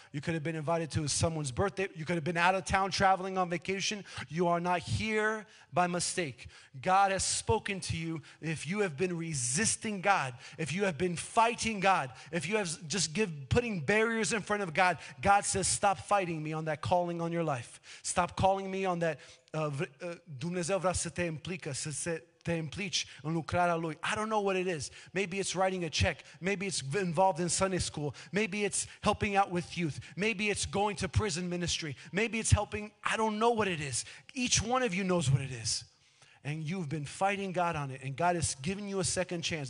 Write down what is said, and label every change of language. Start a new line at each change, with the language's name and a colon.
English: You could have been invited to someone's birthday. You could have been out of town traveling on vacation. You are not here by mistake. God has spoken to you. If you have been resisting God, if you have been fighting God, if you have just putting barriers in front of God, God says, stop fighting me on that calling on your life. Stop calling me on that
Romanian: Dumnezeu vrea să te implică, să se...
English: I don't know what it is. Maybe it's writing a check. Maybe it's involved in Sunday school. Maybe it's helping out with youth. Maybe it's going to prison ministry. Maybe it's helping. I don't know what it is. Each one of you knows what it is. And you've been fighting God on it. And God has given you a second chance.